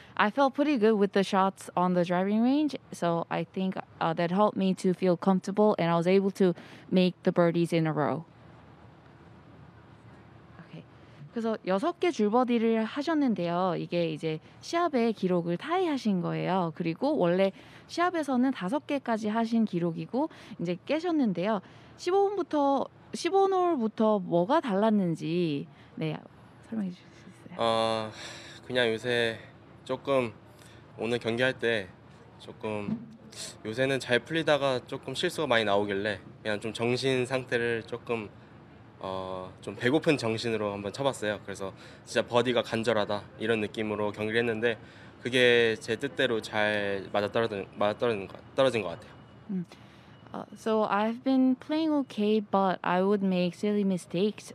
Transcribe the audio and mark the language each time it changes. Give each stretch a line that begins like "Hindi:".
English: I felt pretty good with the shots on the driving range. So I think that helped me to feel comfortable, and I was able to make the birdies in a row. Okay.
Korean: 그래서 여섯 개 줄 버디를 하셨는데요. 이게 이제 시합의 기록을 타이하신 거예요. 그리고 원래 시합에서는 다섯 개까지 하신 기록이고 이제 깨셨는데요. 15홀부터 뭐가 달랐는지 네 설명해 주실 수 있어요? 그냥 요새 조금 오늘 경기할 때 조금 요새는 잘 풀리다가 조금 실수가 많이 나오길래 그냥 좀 정신 상태를 조금 좀 배고픈 정신으로 한번 쳐봤어요. 그래서 진짜 버디가 간절하다 이런 느낌으로 경기를 했는데 그게 제 뜻대로 잘 맞아떨어진 것 같아요.
English: So I've been playing okay, but I would make silly mistakes.